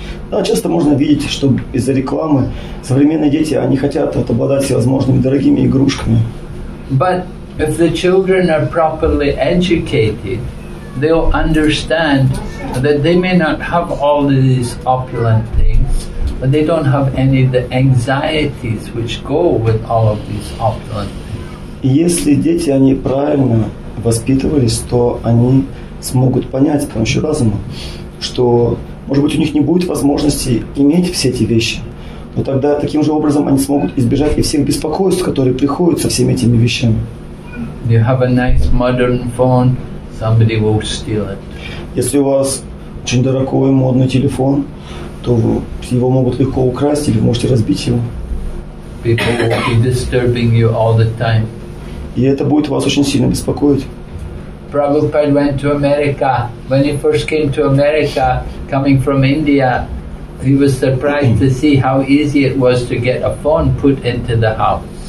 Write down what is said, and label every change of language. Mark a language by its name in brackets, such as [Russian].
[Russian] Да, часто можно видеть, что из-за рекламы современные дети, они хотят вот, обладать всевозможными дорогими игрушками. [English] But if the children are properly educated, they'll understand that they may not have all these opulent things, but they don't have any of the anxieties which go with all of these opulent things. [Russian] Если дети, они правильно воспитывались, то они смогут понять с помощью разума, что может быть, у них не будет возможности иметь все эти вещи. Но тогда таким же образом они смогут избежать и всех беспокойств, которые приходят со всеми этими вещами. [English] You have a nice modern phone, somebody will steal it. [Russian] Если у вас очень дорогой модный телефон, то его могут легко украсть или вы можете разбить его. [English] People will be disturbing you all the time. [Russian] И это будет вас очень сильно беспокоить. [English] Prabhupada went to America. When he first came to America, coming from India, he was surprised to see how easy it was to get a phone put into the house.